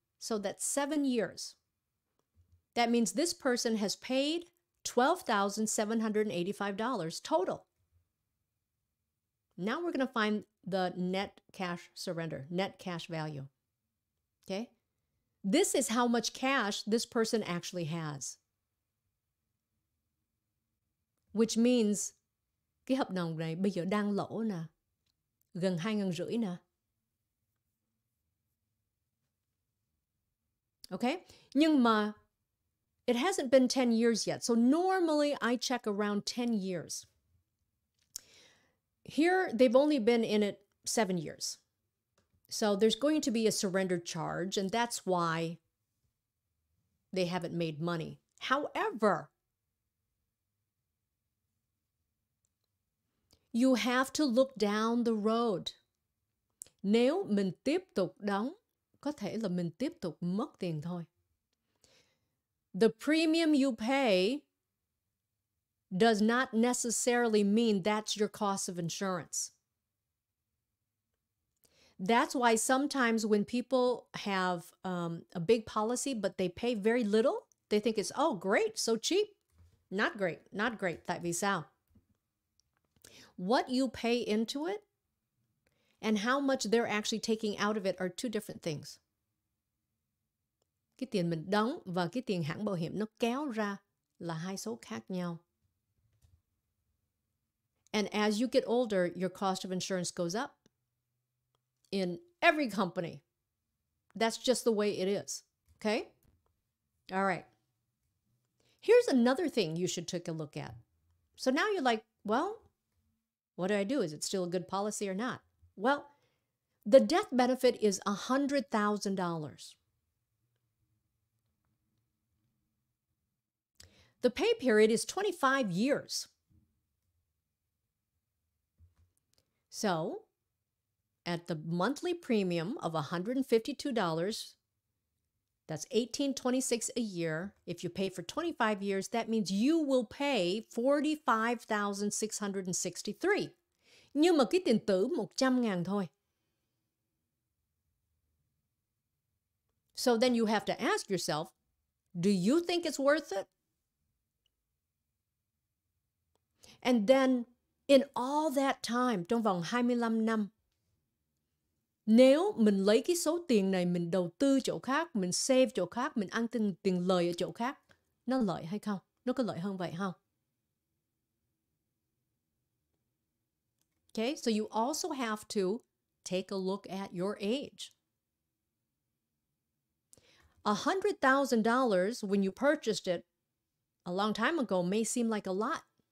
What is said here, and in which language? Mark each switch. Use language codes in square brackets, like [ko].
[en] So that's 7 years. That means this person has paid $12,785 total. Now we're going to find the net cash surrender, net cash value. Okay. This is how much cash this person actually has. Which means, [vi] cái hợp đồng này bây giờ đang lỗ nè. gần 2.500 nè. [en] Okay, [vi] nhưng mà [en] it hasn't been 10 years yet. So normally I check around 10 years. Here, they've only been in it 7 years. So there's going to be a surrender charge, and that's why they haven't made money. However, you have to look down the road. [vi] Nếu mình tiếp tục đóng, có thể là mình tiếp tục mất tiền thôi. [en] The premium you pay does not necessarily mean that's your cost of insurance. That's why sometimes when people have a big policy, but they pay very little, they think it's, oh, great, so cheap. Not great, not great. [vi] Tại vì sao? [en] What you pay into it and how much they're actually taking out of it are two different things. [vi] Cái tiền mình đóng và cái tiền hãng bảo hiểm nó kéo ra là hai số khác nhau. [en] And as you get older, your cost of insurance goes up. In every company. That's just the way it is. Okay? All right. Here's another thing you should take a look at. So now you're like, well, what do I do? Is it still a good policy or not? Well, the death benefit is $100,000. The pay period is 25 years. So, at the monthly premium of $152, that's $1,826 a year. If you pay for 25 years, that means you will pay $45,663. [vi] Nhưng mà cái tiền tử 100.000 thôi. [en] So then you have to ask yourself, do you think it's worth it? And then, in all that time, [vi] trong vòng 25 năm, nếu mình lấy cái số tiền này, mình đầu tư chỗ khác, mình save chỗ khác, mình ăn tiền lời ở chỗ khác, nó lợi hay không? Nó có lợi hơn vậy không? [en] Okay, so you also have to take a look at your age. $100,000 when you purchased it a long time ago may seem like a lot.